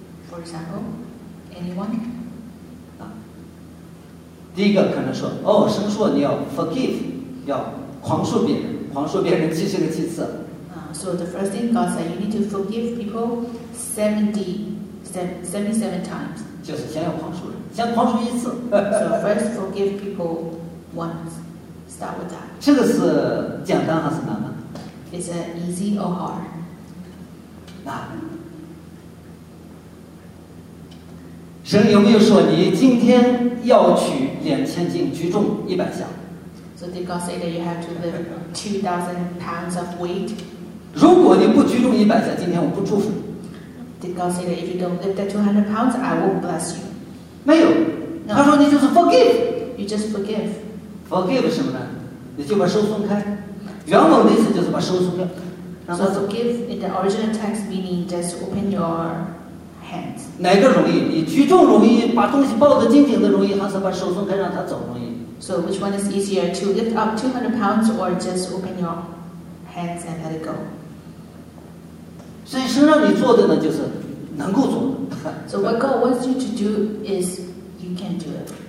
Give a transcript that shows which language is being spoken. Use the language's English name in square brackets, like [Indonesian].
[English] For example, anyone? [Chinese] 啊，第一个可能说，哦，神说你要 forgive， 要宽恕别人，宽恕别人70次。 [English] So the first thing God said, you need to forgive people 77 times. [Chinese] 就是先要宽恕人，先宽恕一次。 [English] So first, forgive people once. Start with that. [Chinese] 这个是简单还是难呢 [English] ？Is it easy or hard? [Chinese] 难。神有没有说你今天要取2000斤，举重100箱 [English] So did God say that you have to lift 2,000 pounds of weight? [Chinese] 如果你不举重一百下，今天我不祝福。 [English] Did God say that if you don't lift that 200 pounds, I won't bless you? [Chinese] 没有。 [English] No. [Chinese] 他说你就是 forgive. [English] You just forgive. [Chinese] Forgive 什么呢？你就把手松开。原文的意思就是把手松开。 [English] So forgive in the original text meaning just open your hands. [Chinese] 哪个容易？你举重容易，把东西抱得紧紧的容易，还是把手松开让他走容易？ [English] So which one is easier, to lift up 200 pounds or just open your hands and let it go? [Chinese] 所以神让你做的呢，就是能够做的。 [English] So what God wants you to do is you can do it.